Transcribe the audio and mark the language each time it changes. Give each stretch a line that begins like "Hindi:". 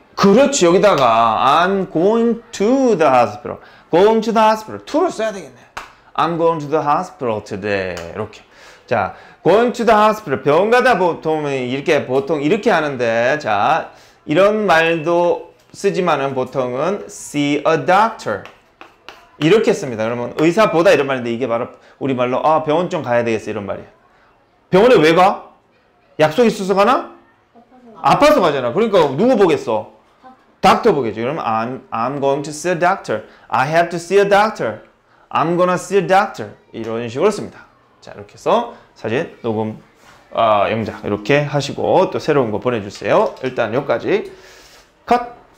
Korean: 그렇지, 여기다가
English: I'm going to the hospital. Going to the hospital. To를 써야 되겠네. I'm going to the hospital today.
Korean: 이렇게. 자,
English: going to the hospital.
Korean: 병원 가다 보통 이렇게 하는데, 자, 이런 말도 쓰지만은 보통은
English: see a doctor
Korean: 이렇게 씁니다. 그러면 의사 보다 이런 말인데 이게 바로 우리 말로 아, 병원 좀 가야 되겠어 이런 말이야. 병원에 왜 가? 약속 있어서 가나? 아파서 가잖아. 그러니까 누구 보겠어? 닥터 보겠죠.
English: 그러면 I'm going to see a doctor. I have to see a doctor. I'm gonna see a doctor.
Korean: 이런 식으로 씁니다. 자, 이렇게 해서 사진 녹음 영장 이렇게 하시고 또 새로운 거 보내주세요. 일단 여기까지 컷.